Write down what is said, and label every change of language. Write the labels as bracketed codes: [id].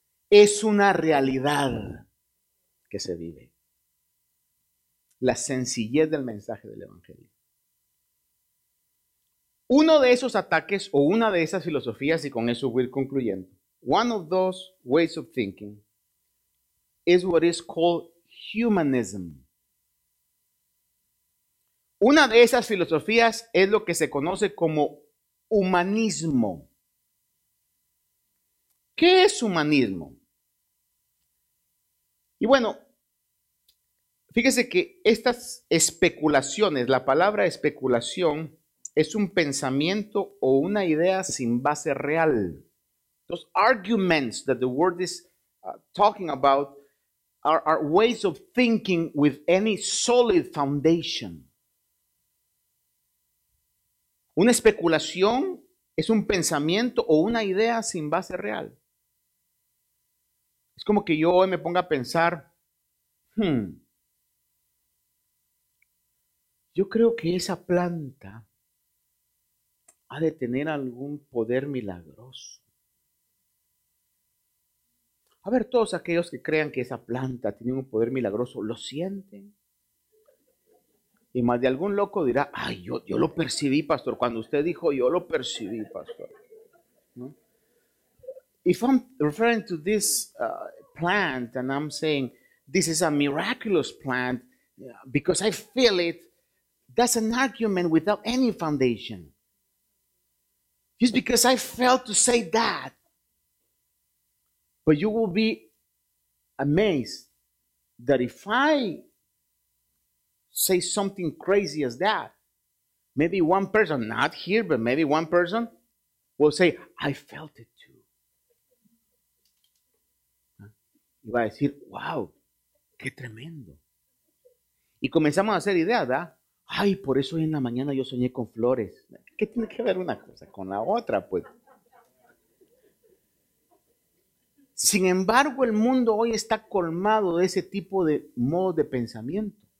[es] Es una realidad que se vive. La sencillez del mensaje del Evangelio. Uno de esos ataques o una de esas filosofías, y con eso voy a ir concluyendo. [en] One of those ways of thinking is what is called humanism. [es] Una de esas filosofías es lo que se conoce como humanismo. ¿Qué es humanismo? Y bueno, fíjese que estas especulaciones, la palabra especulación es un pensamiento o una idea sin base real. [en] Those arguments that the word is talking about are ways of thinking with any solid foundation. [es] Una especulación es un pensamiento o una idea sin base real. Es como que yo hoy me ponga a pensar, yo creo que esa planta ha de tener algún poder milagroso. A ver, todos aquellos que crean que esa planta tiene un poder milagroso, ¿lo sienten? Y más de algún loco dirá, ay, yo lo percibí, pastor. Cuando usted dijo, yo lo percibí, pastor. ¿No? [en] If I'm referring to this plant and I'm saying, this is a miraculous plant because I feel it, that's an argument without any foundation. Just because I failed to say that. But you will be amazed that if I say something crazy as that, maybe one person, not here, but maybe one person will say, I felt it too. [es] Y va a decir, wow, qué tremendo. Y comenzamos a hacer ideas, ¿verdad? Ay, por eso hoy en la mañana yo soñé con flores. ¿Qué tiene que ver una cosa con la otra, pues? Sin embargo, el mundo hoy está colmado de ese tipo de modo de pensamiento.